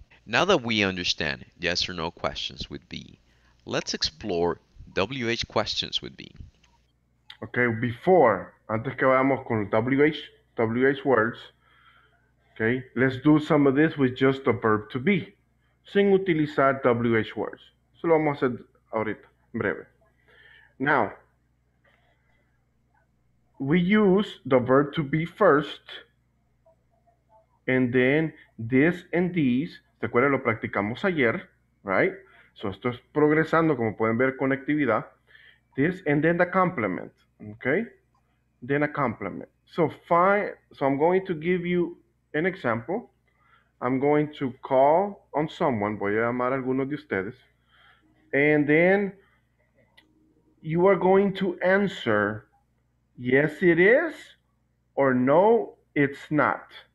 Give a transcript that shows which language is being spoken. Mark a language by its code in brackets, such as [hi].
[en] Now that we understand yes or no questions with B, let's explore WH questions with B. Okay, before, [es] antes que vayamos con [en] WH words, okay, let's do some of this with just the verb to be, [es] sin utilizar [en] WH words. [es] Eso lo vamos a hacer ahorita, en breve. [en] Now, we use the verb to be first, and then this and these. [es] ¿Te acuerdas? Lo practicamos ayer, [en] right? [es] So esto es progresando, como pueden ver, conectividad. [en] This and then the complement, okay? Then a complement. So I'm going to give you an example. I'm going to call on someone. [es] Voy a llamar a alguno de ustedes. [en] And then you are going to answer yes, it is, or no, it's not.